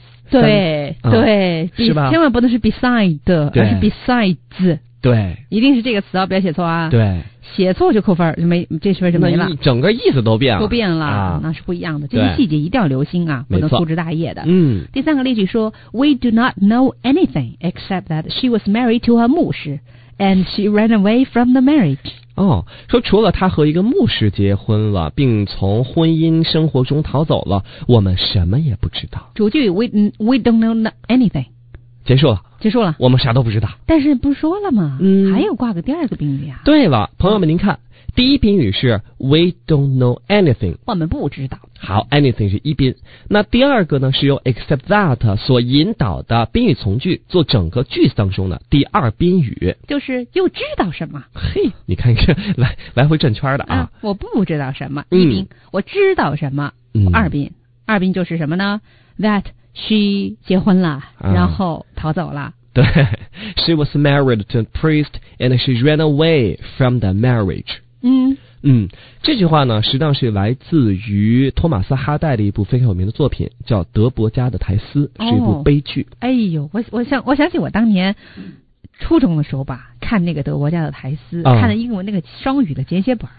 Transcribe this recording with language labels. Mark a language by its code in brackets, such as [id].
[zh] 对、是吧？千万不能是 beside， 而是 besides。对，一定是这个词啊，不要写错啊。对，写错就扣分，没这事儿就没了。那整个意思都变了，都变了、啊，那是不一样的。这些细节一定要留心啊，不能粗枝大叶的。嗯。第三个例句说 [en] ，We do not know anything except that she was married to a 牧师 And she ran away from the marriage. [zh] 哦，说除了她和一个牧师结婚了，并从婚姻生活中逃走了，我们什么也不知道。 [en] 主句 we don't know anything. [zh] 结束了。结束了。我们啥都不知道。但是不说了吗？嗯。还有挂个第二个宾语啊。对了，朋友们您看。第一宾语是 [en] we don't know anything， [zh] 我们不知道。好， anything 是一宾。那第二个呢，是由 except that 所引导的宾语从句做整个句子当中的第二宾语，就是又知道什么。嘿，你看一看，来回转圈的 啊我不知道什么一宾、嗯、我知道什么、嗯、二宾就是什么呢？that she 结婚了、啊、然后逃走了。对， [en] she was married to a priest and she ran away from the marriage。嗯 [zh] 嗯，这句话呢，实际上是来自于托马斯哈代的一部非常有名的作品，叫《德伯家的苔丝》，是一部悲剧。哦、哎呦，我想起我当年初中的时候吧，看那个《德伯家的苔丝》 看的英文那个双语的简写本。